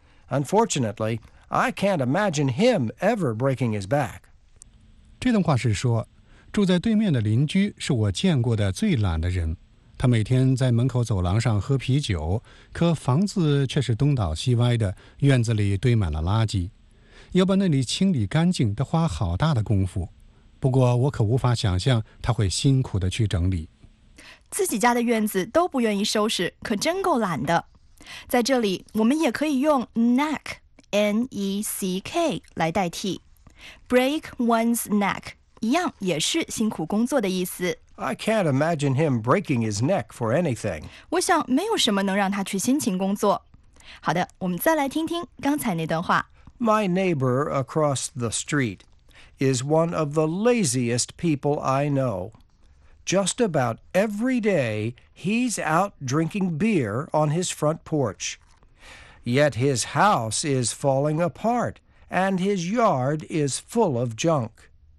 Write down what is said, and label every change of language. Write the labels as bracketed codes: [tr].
[en] Unfortunately,I can't imagine him ever breaking his back. [zh] 这段话是说，住在对面的邻居是我见过的最懒的人。他每天在门口走廊上喝啤酒，可房子却是东倒西歪的，院子里堆满了垃圾。要把那里清理干净，得花好大的功夫。不过我可无法想象他会辛苦地去整理。自己家的院子都不愿意收拾，可真够懒的。在这里，我们也可以用 neck。N-E-C-K 来代替 Break one's neck 一样也是辛苦工作的意思 [en] I can't imagine him breaking his neck for anything [zh] 我想没有什么能让他去辛勤工作好的我们再来听听刚才那段话 [en] My neighbor across the street is one of the laziest people I know Just about every day he's out drinking beer on his front porchYet his house is falling apart, and his yard is full of junk.